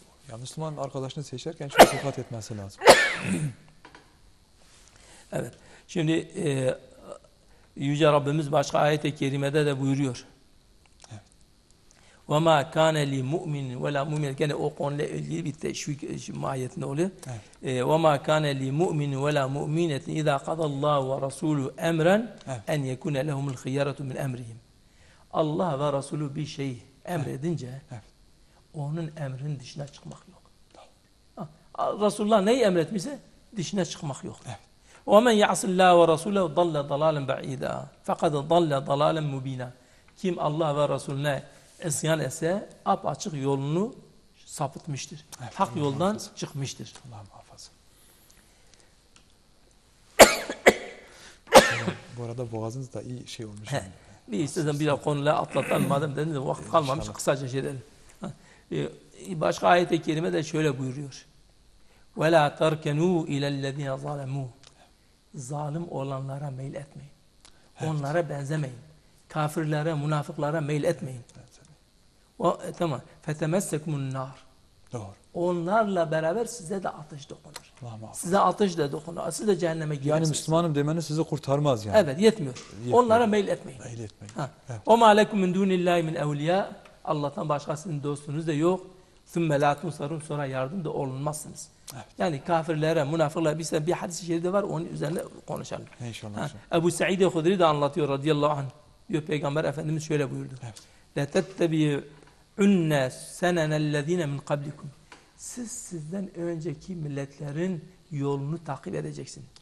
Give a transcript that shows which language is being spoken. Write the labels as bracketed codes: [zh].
[tr] Ya Müslüman arkadaşını seçerken çok dikkat etmesi lazım. Evet. Şimdi Yüce Rabbimiz başka ayet-i kerimede de buyuruyor. [ar] وَمَا كَانَ لِمُؤْمِنٍ وَلَا مُؤْمِنَةٍ [tr] Gene o konuyla ilgili bir teşvik mahiyetinde oluyor. Evet. [ar] وَمَا كَانَ لِمُؤْمِنٍ وَلَا مُؤْمِنَةٍ اِذَا قَضَ اللّٰهُ وَرَسُولُهُ اَمْرًا اَنْ يَكُنَ لَهُمُ الْخِيَّرَةُ مِنْ اَمْرِهِمْ [tr] Allah ve Resulü bir şey emredince, onun emrinin dışına çıkmak yok. Resulullah neyi emretmişse, dışına çıkmak yok. [ar] وَمَنْ يَعْصِ اللّٰهُ وَرَسُولَهُ ضَلَّ ضَلَالًا بَعِيدًا فَقَدَ ضَلَّ ضَلَالًا مُب۪ينًا [tr] Kim Allah ve Resulüne isyan etse, apaçık yolunu sapıtmıştır. Evet, hak yoldan muhafaza. Çıkmıştır. Allah muhafaza. Yani, bu arada boğazınız da iyi şey olmuş. Bir istedim bir daha konuyla atlatalım. Madem dediniz de vakit kalmamış, kısaca şey edelim. Başka ayet-i kerime de şöyle buyuruyor. [ar] وَلَا تَرْكَنُوا اِلَى الَّذ۪ينَ ظَالَمُوا [tr] Zalim olanlara meyil etmeyin. Evet. Onlara benzemeyin. Kafirlere, münafıklara meyil etmeyin. Evet. Tamam. [ar] فَتَمَسَّكُمُ النَّارِ [tr] Doğru. Onlarla beraber size de ateş dokunur. Allah muhafaza. Size ateş de dokunur. Siz de cehenneme girersiniz. Yani Müslümanım demeniz sizi kurtarmaz yani. Evet, yetmiyor. Yetmiyor. Onlara meyil etmeyin. Meyil etmeyin. [ar] وَمَا لَكُمْ مِنْ دُونِ اللّٰهِ مِنْ اَوْلِيَا [tr] Allah'tan başkasının dostunuz da yok. [ar] ثُمَّ لَا تُنْصَرُونَ [tr] Sonra yardım da olunmazsınız. Evet. Yani kafirlere, münafıklara bir hadis-i şerifte var, onun üzerine konuşalım. İnşallah. Ebu Sa'id-i Hudri de anlatıyor radıyallahu anh. Diyor Peygamber Efendimiz şöyle buyurdu. [ar] لَتَتَّبِعُنَّ سَنَنَ الَّذ۪ينَ مِنْ قَبْلِكُمْ [tr] Siz sizden önceki milletlerin yolunu takip edeceksin.